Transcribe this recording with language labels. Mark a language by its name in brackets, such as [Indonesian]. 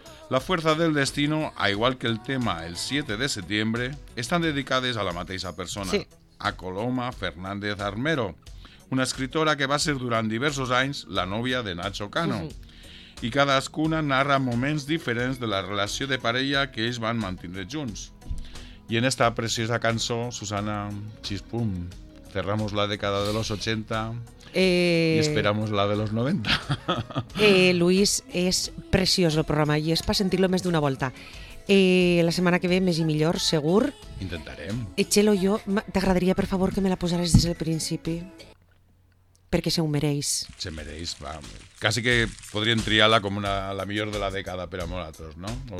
[Catalan] La fuerza del destino, a igual que el tema El 7 de setembre, estan dedicades a la mateixa persona. Sí. A Coloma Fernández Armero, una escritora que va ser durant diversos anys la nòvia de Nacho Cano. I cadascuna narra moments diferents de la relació de parella que ells van mantindre junts. I en esta preciosa cançó, [Spanish] Susana Chispum, cerramos la década de los 80 y esperamos la de los 90. [Catalan] Luis, és preciós el programa i és per sentir-lo més d'una volta. La setmana que ve, més i millor, segur. Intentarem. Txelo, jo t'agradaria, per favor, que me la posaràs des del principi. Perquè se ho mereix. Se mereix, va. Quasi que podríem triar-la com la millor de la dècada per a nosaltres, no?